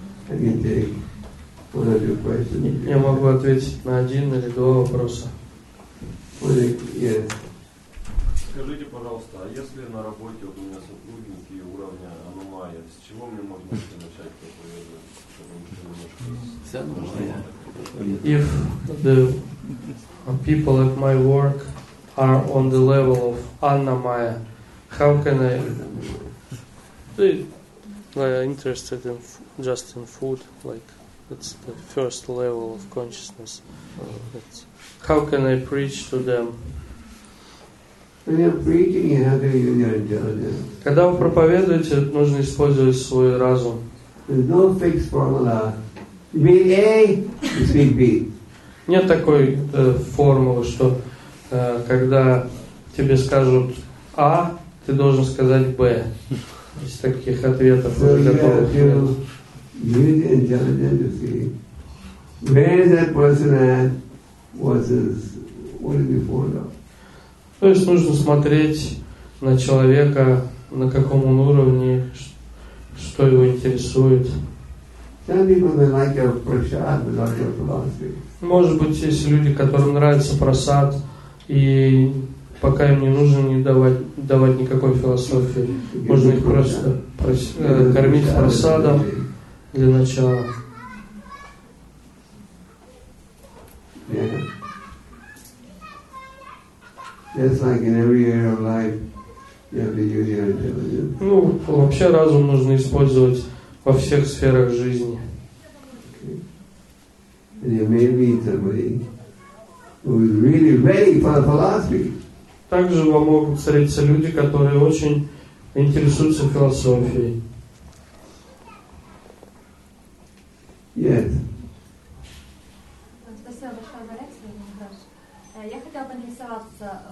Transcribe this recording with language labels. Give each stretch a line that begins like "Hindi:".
Russian: Я могу ответить на один или два вопроса. Скажите, пожалуйста, а если на работе у меня сотрудники уровня Анумая, с чего мне можно вообще начать проповедовать?
English: If the people at my work are on the level of Anumaya, how can I? They are interested in just in food, like. It's the first level of consciousness. It's, how can I preach to them? When you're preaching, you have to use your intelligence.
Russian: Когда вы проповедуете, нужно использовать свой разум.
English: There's no fixed formula. Speak A, speak B.
Russian: Нет такой формулы, что когда тебе скажут А, ты должен сказать Б. Из таких ответов уже готовых нет.
English: Use intelligence to see where is that person at versus what is before them.
Russian: То есть нужно смотреть на человека, на каком он уровне, что его интересует.
English: Some people may like your prasad, but not your philosophy.
Russian: Может быть, есть люди, которым нравится прасад, и пока им не нужно не давать никакой философии. Можно их просто кормить прасадом. Для начала.
English: Just like in every area of life, you have to use your intelligence.
Russian: Ну, вообще разум нужно использовать во всех сферах жизни.
English: Okay. And you may meet somebody who is really ready for philosophy.
Russian: Также вам могут встретиться люди, которые очень интересуются философией.
English: Yes.
Russian: Спасибо большое за лекцию, Мухараш. Я хотела поинтересоваться.